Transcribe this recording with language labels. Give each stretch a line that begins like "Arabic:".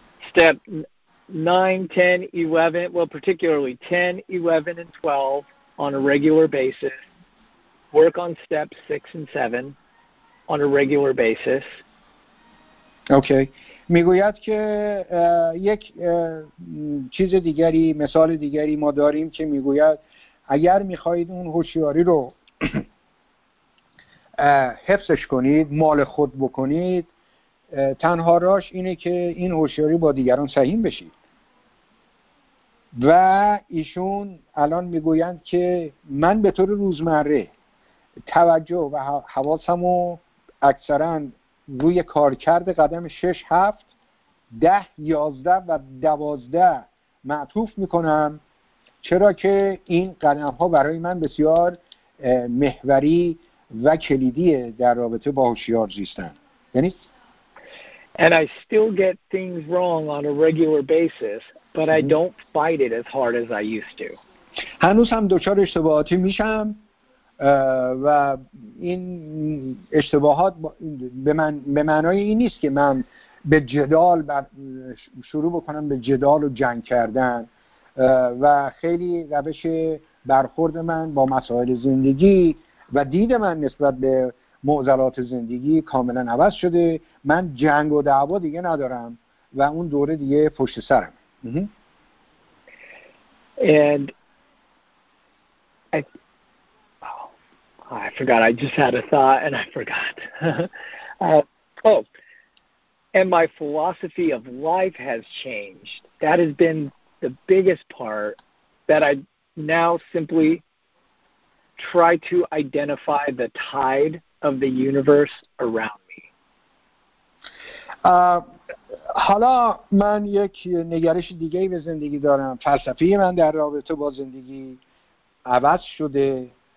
English: Step 9, 10, 11, well particularly 10, 11 and 12 on a regular basis work on steps 6 and 7 on a regular basis. Okay.
Persian: میگوید که یک چیز دیگری، مثال دیگری ما داریم که میگوید اگر میخواهید اون هوشیاری رو حفظش کنید، مال خود بکنید، تنها راش اینه که این هوشیاری با دیگران سهیم بشید. و ایشون الان میگویند که من به طور روزمره توجه و حواسمو اکثرا روی کارکرد قدم 6, 7, 10, 11 و 12 معطوف میکنم، چرا که این قدم ها برای من بسیار محوری و کلیدیه در رابطه با هوشیار زیستن. یعنی
English: And I still get things wrong on a regular basis, but I don't fight it as hard as I used to.
Persian: هنوز هم دچار اشتباهاتی میشم و این اشتباهات به معنای این نیست که من به جدال شروع بکنم به جدال و جنگ کردن، و خیلی روش برخورد من با مسائل زندگی و دید من نسبت به معضلات زندگی کاملا عوض شده. من جنگ و دعوا دیگه ندارم و اون دوره دیگه پشت سرم.
English: And I forgot. I just had a thought and I forgot. And my philosophy of life has changed. That has been the biggest part, that I now simply try to identify the tide of the universe around me.
Persian: حالا من یک نگرش دیگه به زندگی دارم. فلسفه من در رابطه با زندگی عوض شده.